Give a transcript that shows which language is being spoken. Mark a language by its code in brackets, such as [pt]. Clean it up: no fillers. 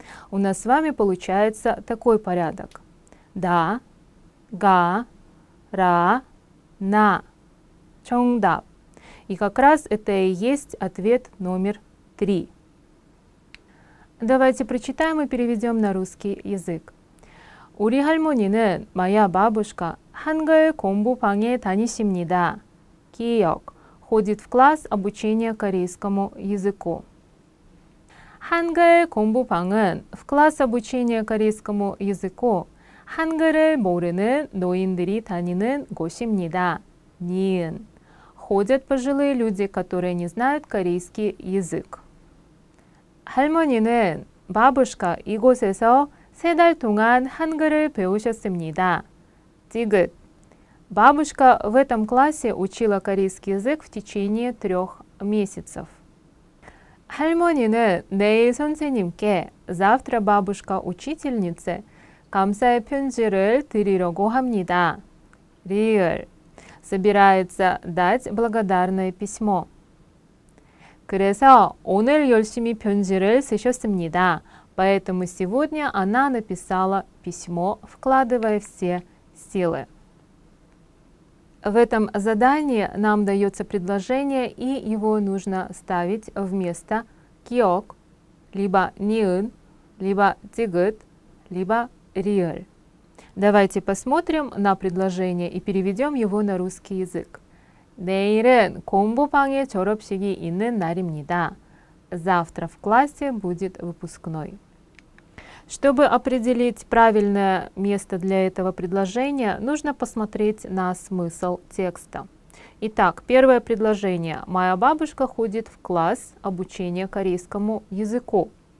[ru] У нас с вами получается такой порядок. Да, га, ра, на, чонгда. И как раз это и есть ответ номер 3. Давайте прочитаем и переведем на русский язык. [ko] 우리 할머니는 [ru] моя бабушка [ko] 한글 공부방에 다니십니다. 기억. [ru] Ходит в класс обучения корейскому языку. [ko] 한글 공부방은 [ru] в класс обучения корейскому языку [ko] 한글을 모르는 노인들이 다니는 곳입니다. 니은. [ru] Ходят пожилые люди, которые не знают корейский язык. [ko] 할머니는 [ru] бабушка [ko] 이곳에서 세 달 동안 한글을 배우셨습니다. 지긋. [ru] Бабушка в этом классе учила корейский язык в течение 3 месяцев. [ko] 할머니는 내일 선생님께 [ru] завтра бабушка учительнице [ko] 감사의 편지를 드리려고 합니다. [ru] 리을 собирается дать благодарное письмо. [ko] 그래서 오늘 열심히 편지를 쓰셨습니다. [ru] Поэтому сегодня она написала письмо, вкладывая все силы. В этом задании нам дается предложение, и его нужно ставить вместо киок, либо ниын, либо тигыт, либо риэль. Давайте посмотрим на предложение и переведем его на русский язык. [ko] 내일은 공부방에 졸업식이 있는 날입니다. [ru] Завтра в классе будет выпускной. Чтобы определить правильное место для этого предложения, нужно посмотреть на смысл текста. Итак, первое предложение. Моя бабушка ходит в класс обучения корейскому языку.